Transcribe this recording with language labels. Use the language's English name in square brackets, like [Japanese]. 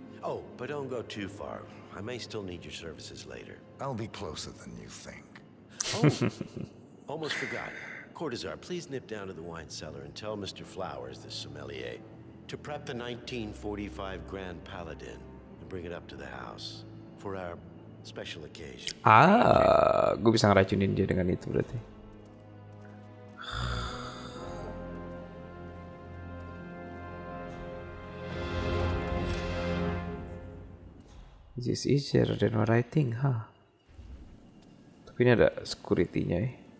[English] Oh, but don't go too far. I may still need your services later. I'll be closer than you think. Oh, almost forgot. Cortazar, please nip down to the wine cellar and tell Mr. Flowers, the sommelier, to prep the 1945 Grand Paladin and bring it up to the house. for our special occasion. [Indonesian] Ah, gue bisa ngeracunin dia dengan itu berarti. [English] This is easier than what I think, huh? [Indonesian] Tapi ini ada security-nya, ya.